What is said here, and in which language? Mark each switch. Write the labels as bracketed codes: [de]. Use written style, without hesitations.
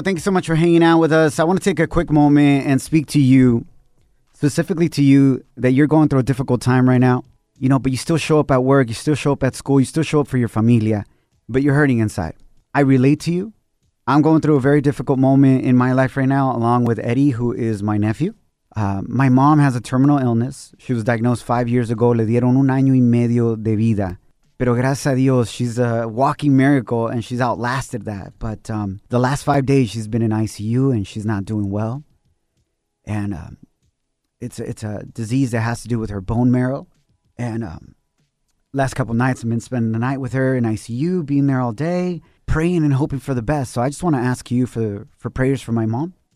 [en] Thank you so much for hanging out with us. I want to take a quick moment and speak to you, specifically to you, that you're going through a difficult time right now. You know, but you still show up at work, you still show up at school, you still show up for your familia, but you're hurting inside. I relate to you. I'm going through a very difficult moment in my life right now, along with Eddie, who is my nephew. My mom has a terminal illness. She was diagnosed 5 years ago. [es] Le dieron un año y medio de vida. Pero gracias a Dios, [en] she's a walking miracle and she's outlasted that. But the last 5 days, she's been in ICU and she's not doing well. And it's a disease that has to do with her bone marrow. And last couple nights, I've been spending the night with her in ICU, being there all day, praying and hoping for the best. So I just want to ask you for prayers for my mom.